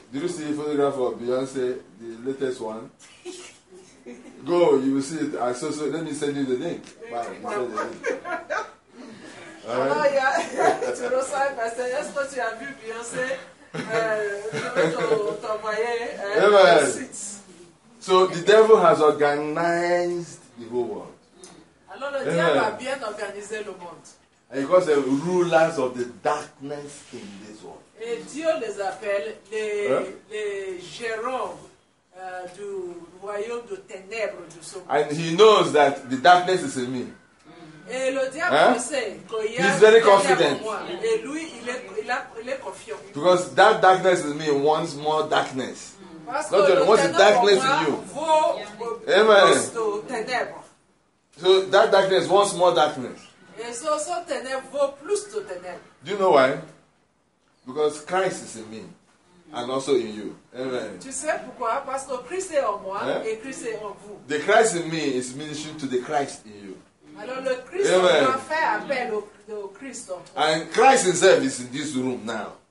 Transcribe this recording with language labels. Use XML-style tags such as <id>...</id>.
<en>Did you see a photograph of Beyoncé, the latest one? Go, you will see it. So let me send you the link.</en> <fr>Alors, il y a, tu reçois un message. Est-ce que tu as vu Beyoncé? Je vais t'envoyer un site.</fr> <en>So, the devil has organized the whole world.</en> <fr>Alors, le diable a bien organisé le monde.</fr> <en>And he calls the rulers of the darkness in this world.</en> <fr>Et Dieu les appelle les gérants. Du royaume de ténèbres de ce monde.</fr> <en>And he knows that the darkness is in me.</en> <fr>Et le diable sait qu'il y a ténèbres.</fr> <en>He's very confident.</en> <fr>Et lui, il est confiant.</fr> <en>Because that darkness in me wants more darkness.</en> <fr>Parce que</fr> <en>what's the darkness in you? Amen. So that darkness wants more darkness.</en> <fr>Et ce ténèbres vaut plus de ténèbres.</fr> <en>Do you know why? Because Christ is in me. And also in you. Amen.</en> <fr>Tu sais pourquoi? Parce que Christ est en moi et Christ est en vous.</fr> <en>The Christ in me is ministering to the Christ in you.</en> <fr>Alors le Christ en moi fait appel au Christ en toi.</fr> <en>And Christ himself is in this room now.</en>